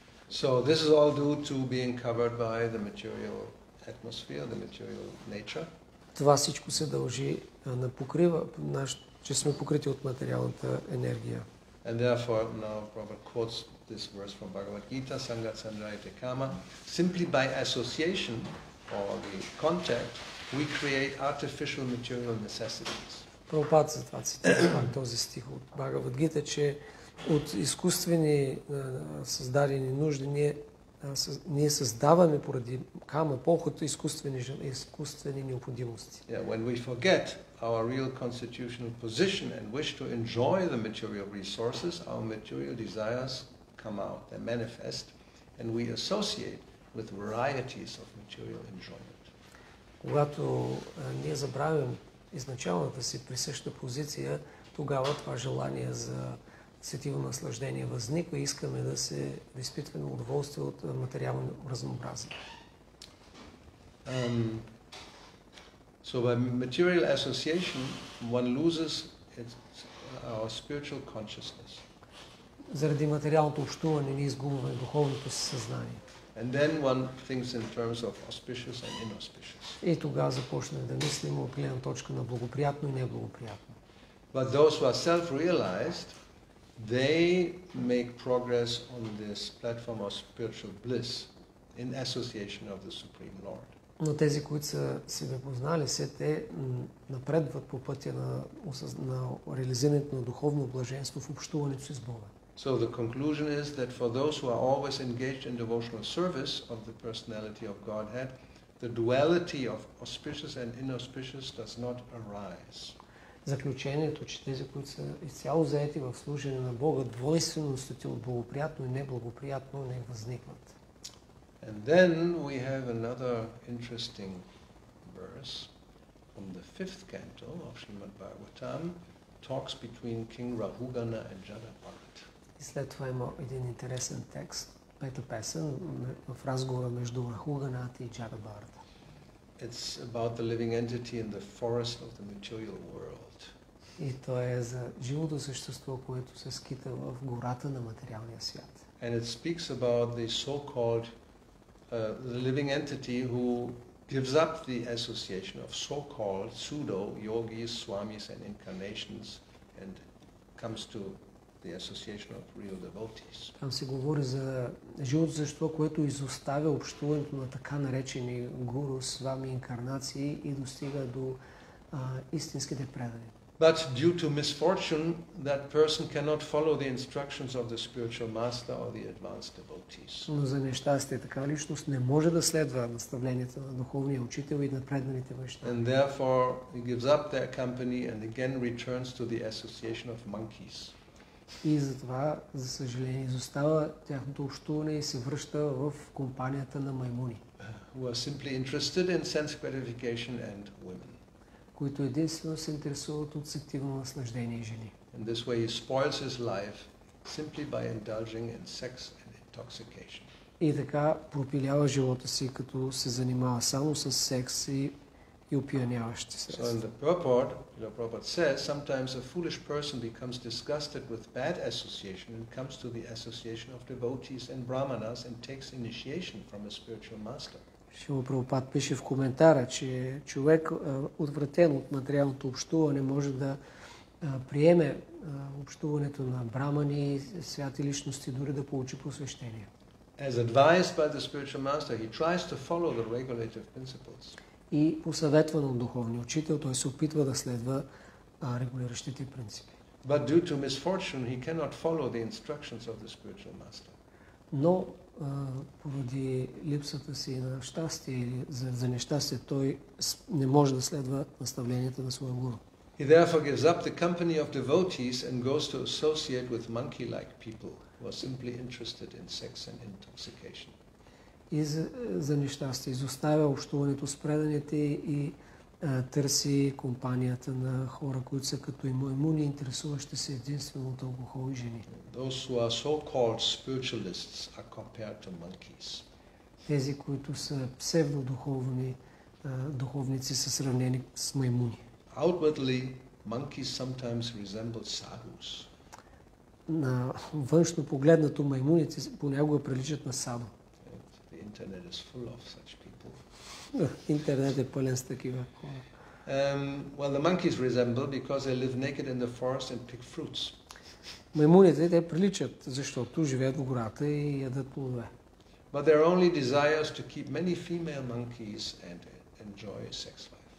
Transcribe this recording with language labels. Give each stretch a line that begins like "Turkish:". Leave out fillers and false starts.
English: So this is all due to being covered by the material atmosphere, the material nature.
Bulgarian: Това всичко се дължи на покрива нашата, че сме покрити от материалната енергия.
English: And therefore now Prabhupada quotes this verse from Bhagavad Gita,
Sanskrit: Sangat Sanjayate Kama.
English: Simply by association or the contact, we create artificial material necessities.
Bulgarian: Прабхупад затова цитира този стих от Бхагавад Гита, че от изкуствени създадени нужди ние създаваме поради кама, похото изкуствени необходимости.
English: Yeah, when we forget our real constitutional position and wish to enjoy the material resources, our material desires come out, they manifest, and we associate with varieties of material enjoyment.
Bulgarian: Когато ние забравим изначалната си присъща позиция, тогава това желание за сетивно наслаждение възниква и искаме да се изпитваме удоволствие от материално разнообразие.
English: So by material association, one loses its, our spiritual consciousness.
Bulgarian: заради материалното общуване ние изгубваме духовното си съзнание.
English: And then one thinks in terms of auspicious and inauspicious.
Bulgarian: И тогава започна да мислим от гледна точка на благоприятно и неблагоприятно.
English: But those who are self-realized, they make progress on this platform of spiritual bliss in association of the Supreme Lord.
Bulgarian: Но тези, които са себе познали се, те напредват по пътя на, на реализирането на духовно блаженство в общуването си с Бога.
English: So the conclusion is that for those who are always engaged in devotional service of the personality of Godhead, the duality of auspicious and inauspicious does not arise.
Bulgarian: Заключението, че тези, които са изцяло заети в служение на Бога, двойственостите от благоприятно и неблагоприятно не възникват.
English: And then we have another interesting verse from the fifth canto of Srimad Bhagavatam, talks between King Rahugana and Janapart.
Bulgarian: И след това има един интересен текст, пета песен, в разговора между Рахуганата и Джанабарта.
English: It's about the living entity in the forest of the material world.
Bulgarian: И това е за живото същество, което се скита в гората на материалния свят.
English: And it speaks about the so-called the living entity who gives up the association of so-called pseudo yogis, swamis and incarnations and comes to the association of real devotees.
Bulgarian: Там се говори за живото същество, което изоставя общуването на така наречени гуру, свами, инкарнации и достига до истинските предани.
English: But due to misfortune, that person cannot follow the instructions of the spiritual master or the advanced devotees.
Bulgarian: Но за нещастие така личност не може да следва наставленията на духовния учител и на преданите вайшнави.
English: And therefore he gives up their company and again returns to the association of monkeys.
Bulgarian: И затова, за съжаление, изостава тяхното общуване и се връща в компанията на маймуни.
English: Who are simply interested in sense gratification and women.
Bulgarian: Които единствено се интересуват от сексуално наслаждение и жени.
English: In this way he spoils his life simply by indulging in sex and intoxication.
Bulgarian: И така пропилява живота си, като се занимава само с секс и опияняващи се.
English: So in the purport, the Prabhupada says, sometimes a foolish person becomes disgusted with bad association and comes to the association of devotees and brahmanas and takes initiation from a spiritual master.
Bulgarian: Шрила Прабхупад пише в коментара, че човек отвратен от материалното общуване може да приеме общуването на брамани, святи личности, дори да получи посвещение.
English: As advised by the spiritual master, he tries to follow the regulative principles.
Bulgarian: И посъветван от духовния учител, той се опитва да следва регулиращите принципи.
English: But due to misfortune, he cannot follow the instructions of the spiritual master.
Bulgarian: Но поради липсата си на щастие или за нещастие, той не може да следва наставленията на своя гуру.
English: He therefore gives up the company of devotees and goes to associate with monkey-like people who are simply interested in sex and intoxication.
Bulgarian: И за нещастие изоставя общуването с преданите и търси компанията на хора, които са като и маймуни, интересуващи се единствено от алкохол и жени.
English: Those who are so-called spiritualists are compared to monkeys.
Bulgarian: Тези, които са псевдодуховни духовници, са сравнени с маймуни.
English: Outwardly, monkeys sometimes resemble sadhus.
Bulgarian: На външно погледнато маймуните понякога приличат на садо.
English: The internet is full of such people.
Bulgarian: Интернет е пълен с такива хора.
English: Well, the monkeys resemble because they live naked in the forest and pick fruits.
Bulgarian: Маймуните те приличат, защото живеят в гората и ядат плодове.
English: But their only desire is to keep many female monkeys and enjoy sex life.